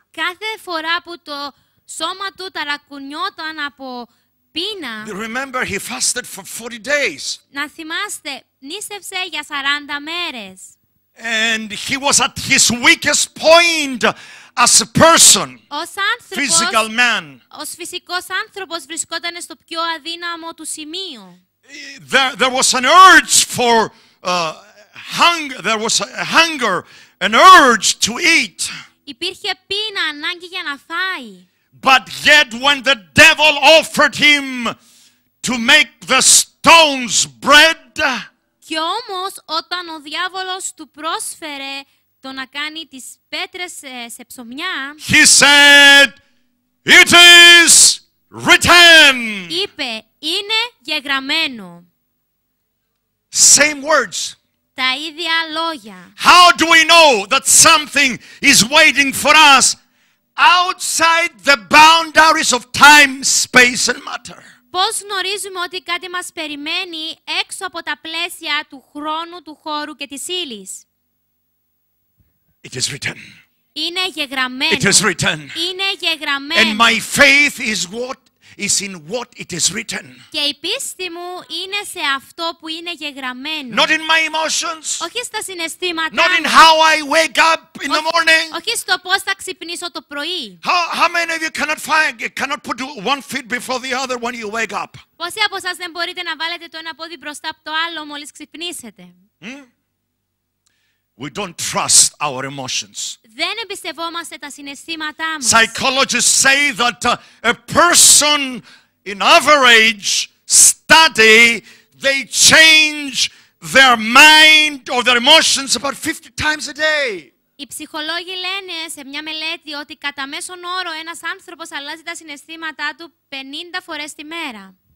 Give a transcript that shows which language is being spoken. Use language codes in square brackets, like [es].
[el] Κάθε φορά που το σώμα του ταρακουνιόταν από πείνα. [en] Remember, he fasted for 40 days. [el] Να θυμάστε, νήσευσε για 40 μέρες. [en] And he was at his weakest point as a person. [el] Ως άνθρωπος, [en] physical man. [el] Ως φυσικός άνθρωπος βρισκόταν στο πιο αδύναμο του σημείο. [en] There was an urge for hunger. There was a hunger. An urge to eat. [el] Υπήρχε πείνα, ανάγκη για να φάει. [en] But yet when the devil offered him to make the stones bread. [el] Κι όμως όταν ο διάβολος του πρόσφερε το να κάνει τις πέτρες σε ψωμιά. [en] He said, it is written. [el] Είπε, είναι γεγραμμένο. [en] Same words. [el] Τα ίδια λόγια. [en] How do we know that something is waiting for us outside the boundaries of time, space and matter? [el] Πώς γνωρίζουμε ότι κάτι μας περιμένει έξω από τα πλαίσια του χρόνου, του χώρου και της ύλης? [en] It is written. [el] Είναι γεγραμμένο. [en] It is written. [el] Είναι γεγραμμένο. [en] And my faith is what is in what it is written. [el] Και η πίστη μου είναι σε αυτό που είναι γεγραμμένο. [en] Not in my emotions. [el] Όχι στα συναισθήματα. [en] Not in how I wake up in the morning. [el] Όχι στο πώς θα ξυπνήσω το πρωί. [en] How many of you cannot put one foot before the other when you wake up? [el] Πόσοι από εσάς δεν μπορείτε να βάλετε το ένα πόδι μπροστά από το άλλο μόλις ξυπνήσετε? [en] We don't trust our emotions. [el] Δεν εμπιστευόμαστε τα συναισθήματά μας. [en] Psychologists say that a person in average study, they change their mind or their emotions about 50 times a day. [el] Οι ψυχολόγοι λένε σε μια μελέτη ότι κατά μέσον όρο ένας άνθρωπος αλλάζει τα συναισθήματά του 50 φορές τη μέρα.